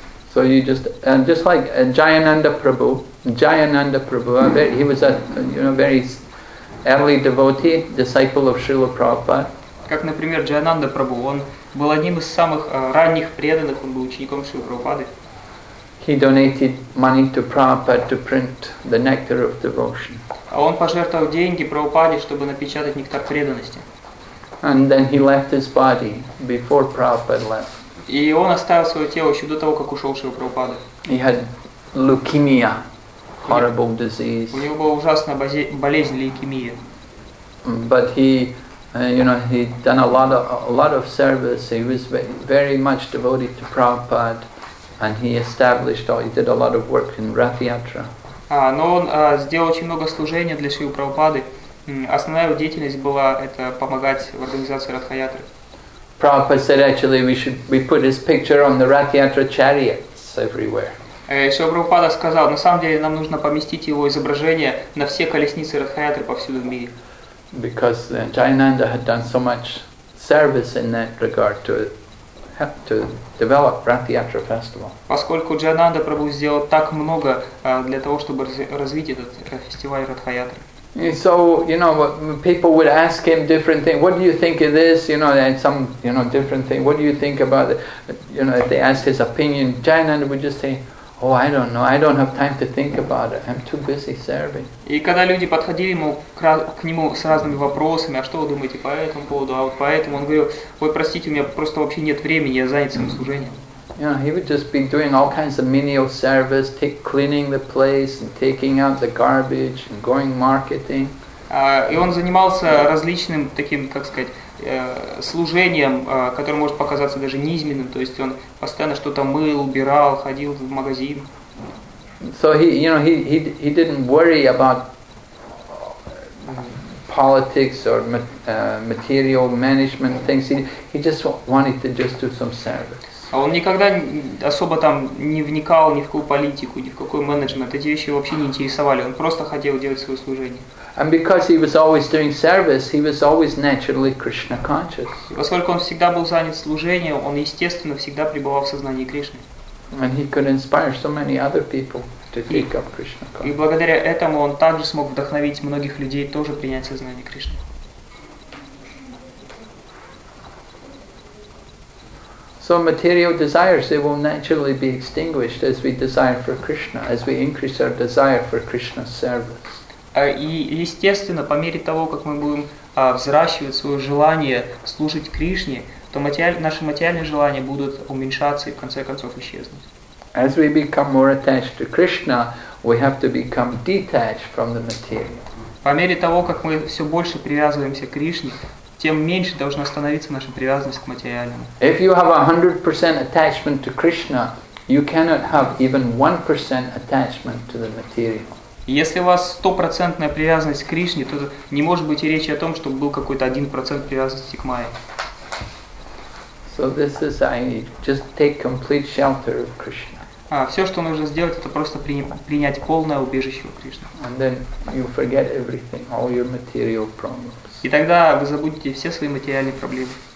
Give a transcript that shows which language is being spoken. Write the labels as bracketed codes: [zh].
[en] So you just just like Jayananda Prabhu, he was a very early devotee, disciple of Srila Prabhupada. [ru] Как, например, Джайананда Прабху, он был одним из самых ранних преданных, он был учеником Шрилы Прабхупады. [en] He donated money to Prabhupada to print the nectar of devotion. [ru] А он пожертвовал деньги Прабхупаде, чтобы напечатать нектар преданности. [en] And then he left his body before Prabhupada left. [ru] И он оставил свое тело еще до того, как ушел Шрила Прабхупада. [en] He had leukemia. Horrible disease. [ru] У него была ужасная болезнь лейкемия. [en] But he, you know, he done a lot of service. He was very much devoted to Prabhupada, and he established all. He did a lot of work in Ratha Yatra. [ru] Но он сделал очень много служения для Шрилы Прабхупады. Основная его деятельность была это помогать в организации Ратха Ятры. [en] Prabhupada said actually we put his picture on the Ratha Yatra chariots everywhere. [ru] Шрила Прабхупада сказал, на самом деле нам нужно поместить его изображение на все колесницы Радхаятры повсюду в мире. [en] Because Jayananda had done so much service in that regard to develop Ratha Yatra festival. [ru] Поскольку Джайананда Прабху сделал так много для того, чтобы развить этот фестиваль Радхаятры. [en] So, you know, people would ask him different things. What do you think of this? You know, and some, you know, different thing. What do you think about it? You know, if they asked his opinion, Jayananda would just say, oh, I don't know. I don't have time to think about it. I'm too busy serving. [ru] И когда люди подходили ему к нему с разными вопросами, а что вы думаете по этому поводу? А вот поэтому он говорил: ой, простите, у меня просто вообще нет времени, я занят своим служением. [en] Yeah, he would just be doing all kinds of menial service, take cleaning the place and taking out the garbage and going marketing. [ru] И он занимался различным таким, как сказать, служением, которое может показаться даже низменным, то есть он постоянно что-то мыл, убирал, ходил в магазин. [en] So he didn't worry about politics or material management things. He just wanted to just do some service. [ru] А он никогда особо там не вникал ни в какую политику, ни в какой менеджмент. Эти вещи вообще не интересовали. Он просто хотел делать свое служение. [en] And because he was always doing service, he was always naturally Krishna conscious. [ru] Поскольку он всегда был занят служением, он естественно всегда пребывал в сознании Кришны. [en] And he could inspire so many other people to take up Krishna consciousness. [ru] И благодаря этому он также смог вдохновить многих людей тоже принять сознание Кришны. [en] So material desires, they will naturally be extinguished as we desire for Krishna, as we increase our desire for Krishna's service. [ru] И, естественно, по мере того, как мы будем взращивать свое желание служить Кришне, то наши материальные желания будут уменьшаться и, в конце концов, исчезнуть. [en] As we become more attached to Krishna, we have to become detached from the material. [ru] По мере того, как мы все больше привязываемся к Кришне, тем меньше должна становиться наша привязанность к материальному. [en] If you have 100% attachment to Krishna, you cannot have even 1% attachment to the material. [ru] Если у вас 100% привязанность к Кришне, то не может быть и речи о том, чтобы был какой-то 1% привязанности к Майе. [en] So this is I just take complete shelter of Krishna. [ru] Все, что нужно сделать, это просто принять полное убежище у Кришны. [en] And then you forget everything, all your material problems. [ru] И тогда вы забудете все свои материальные проблемы.